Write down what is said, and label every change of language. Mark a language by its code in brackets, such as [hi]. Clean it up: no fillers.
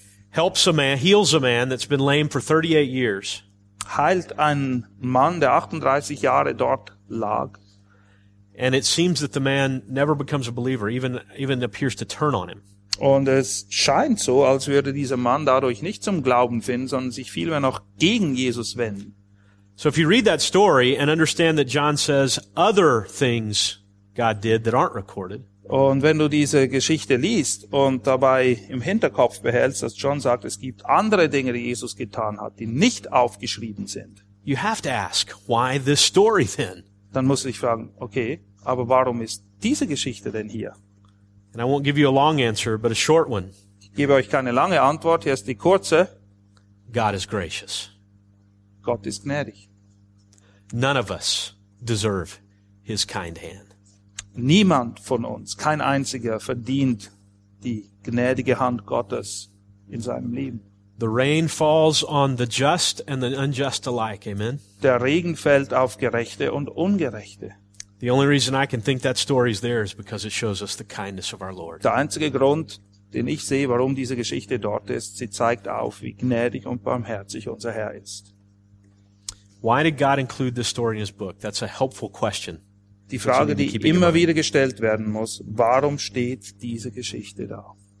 [en] Helps a man, heals a man that's been lame for 38 years. [de] Heilt einen Mann, der 38 Jahre dort lag. [en] And it seems that the man never becomes a believer, even appears to turn on him. [de] Und es scheint so, als würde dieser Mann dadurch nicht zum Glauben finden, sondern sich vielmehr noch gegen Jesus wenden. [en] So if you read that story and understand that John says other things God did that aren't recorded. [de] Und wenn du diese Geschichte liest und dabei im Hinterkopf behältst, dass John sagt, es gibt andere Dinge, die Jesus getan hat, die nicht aufgeschrieben sind. [en] You have to ask, why this story then? [de] Dann musst du dich fragen, okay, aber warum ist diese Geschichte denn hier? [en] And I won't give you a long answer, but a short one. [de] Ich gebe euch keine lange Antwort, hier ist die kurze. [en] God is gracious. [de] Gott ist gnädig. [en] None of us deserve his kind hand. [de] Niemand von uns, kein einziger, verdient die gnädige Hand Gottes in seinem Leben. [en] The rain falls on the just and the unjust alike, amen. [de] Der Regen fällt auf Gerechte und Ungerechte. [en] The only reason I can think that story is there is because it shows us the kindness of our Lord. [de] Der einzige Grund, den ich sehe, warum diese Geschichte dort ist, sie zeigt auf, wie gnädig und barmherzig unser Herr ist. [en] Why did God include this story in his book? That's a helpful question. [de] Die Frage, die immer wieder gestellt werden muss, warum steht diese Geschichte da?